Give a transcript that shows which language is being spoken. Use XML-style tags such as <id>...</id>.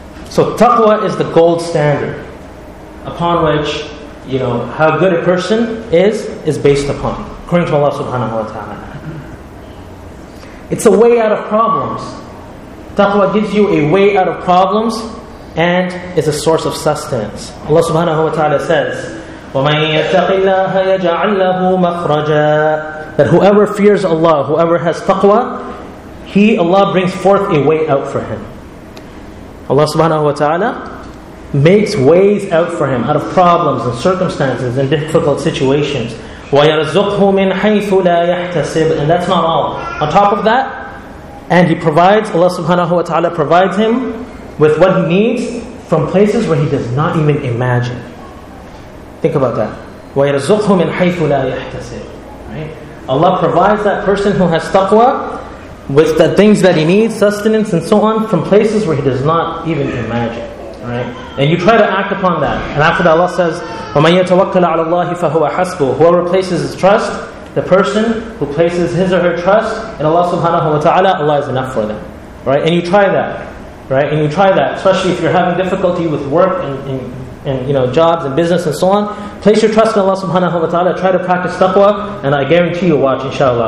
<en>So taqwa is the gold standard upon which, how good a person is based upon, according to Allah subhanahu wa ta'ala. It's a way out of problems. Taqwa gives you a way out of problems and is a source of sustenance. Allah subhanahu wa ta'ala says,</en> <ar>وَمَن يَتَّقِ اللَّهَ يَجْعَلْ لَهُ مَخْرَجًا.</ar> <en>That whoever fears Allah, whoever has taqwa, Allah brings forth a way out for him. Allah subhanahu wa ta'ala makes ways out for him out of problems and circumstances and difficult situations.</en> <ar>وَيَرْزُقْهُ مِنْ حَيْثُ لَا يَحْتَسِبُ.</ar> <en>And that's not all. On top of that, and he provides, Allah subhanahu wa ta'ala provides him with what he needs from places where he does not even imagine. Think about that.</en> <ar>وَيَرْزُقْهُ مِنْ حَيْثُ لَا يَحْتَسِبُ.</ar> <en>Allah provides that person who has taqwa with the things that he needs, sustenance and so on, from places where he does not even imagine. Right? And you try to act upon that. And after that, Allah says,</en> <ar>وَمَن يَتَوَكَّلَ عَلَى اللَّهِ فَهُوَ حَسْبُهُ.</ar> <en>Whoever places his trust, the person who places his or her trust in Allah subhanahu wa ta'ala, Allah is enough for them. Right? And you try that. Right? And you try that, especially if you're having difficulty with work and and you know, jobs and business and so on, place your trust in Allah subhanahu wa ta'ala, try to practice taqwa, and I guarantee you'll watch, inshallah.</en>